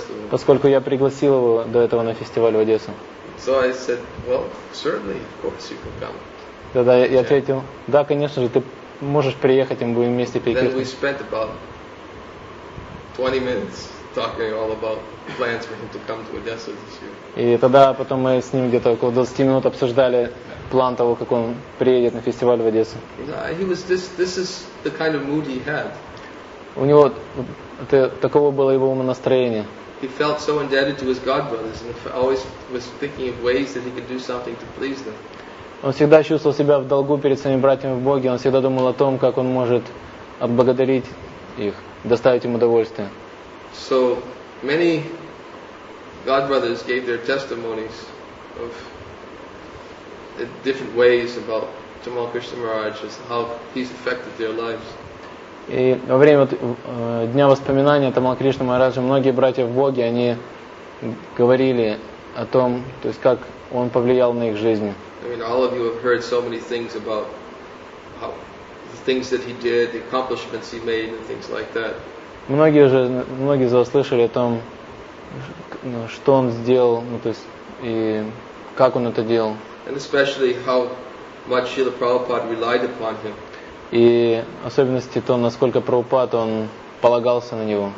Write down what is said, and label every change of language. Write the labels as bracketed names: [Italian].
[Russian] Поскольку я пригласил его до этого на фестиваль в Одессу. [English] So I said, well, certainly, of course you can come. [Russian] Тогда я ответил, да, конечно же, ты можешь приехать, и мы будем вместе петь киртан. [English] Then we spent about 20 minutes talking all about plans for him to come to Odessa this year. [Russian] И тогда потом мы с ним где-то около 20 минут обсуждали план того, как он приедет на фестиваль в Одессу. У него такого было его настроение. [English] He felt so indebted to his god brothers and always was thinking of ways that he could do something to please them. [Russian] Он всегда чувствовал себя в долгу перед своими братьями в Боге. Он всегда думал о том, как он может отблагодарить их, доставить им удовольствие. [English] So many god brothers gave their testimonies of different ways about Тамалкришна Махарадж, how he's affected their lives. [Russian] И во время дня воспоминания Тамалкришна Махараджа многие братья в Боге они говорили о том, то есть как он повлиял на их жизни. [English] I mean, all of you have heard so many things about how the things that he did, the accomplishments he made, and things like that. [Russian] Многие из вас слышали о том, что он сделал, то есть и как он это делал. [English] And especially how much Srila Prabhupada relied upon him. [Russian] И особенности то, насколько Прабхупада он полагался на него.